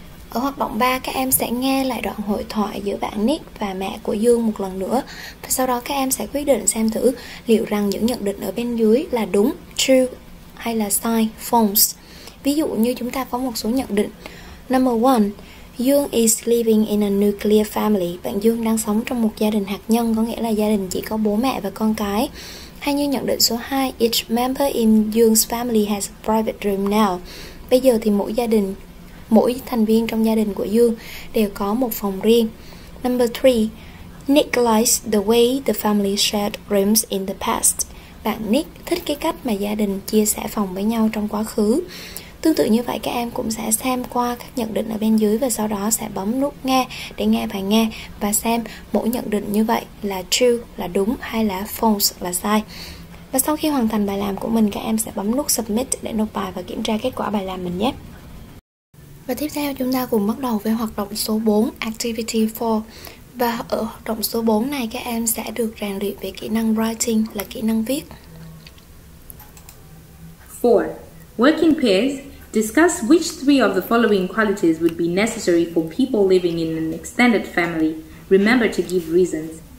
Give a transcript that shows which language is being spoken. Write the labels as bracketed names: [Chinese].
[Vietnamese] Ở hoạt động 3, các em sẽ nghe lại đoạn hội thoại giữa bạn Nick và mẹ của Dương một lần nữa. Và sau đó các em sẽ quyết định xem thử liệu rằng những nhận định ở bên dưới là đúng, true hay là sai, false. Ví dụ như chúng ta có một số nhận định. [English] Number 1. Dương is living in a nuclear family. [Vietnamese] Bạn Dương đang sống trong một gia đình hạt nhân, có nghĩa là gia đình chỉ có bố mẹ và con cái. Hay như nhận định số 2, [English] each member in Dương's family has a private room now. [Vietnamese] Bây giờ thì mỗi thành viên trong gia đình của Dương đều có một phòng riêng. [English] Number 3, Nick likes the way the family shared rooms in the past. [Vietnamese] Bạn Nick thích cái cách mà gia đình chia sẻ phòng với nhau trong quá khứ. Tương tự như vậy, các em cũng sẽ xem qua các nhận định ở bên dưới và sau đó sẽ bấm nút nghe để nghe bài nghe và xem mỗi nhận định như vậy là true, là đúng hay là false, là sai. Và sau khi hoàn thành bài làm của mình, các em sẽ bấm nút submit để nộp bài và kiểm tra kết quả bài làm mình nhé. Và tiếp theo chúng ta cùng bắt đầu với hoạt động số 4, activity 4. Và ở hoạt động số 4 này, các em sẽ được rèn luyện về kỹ năng writing, là kỹ năng viết. [English] 4. Work in pairs. Discuss which three of the following qualities would be necessary for people living in an extended family. Remember to give reasons.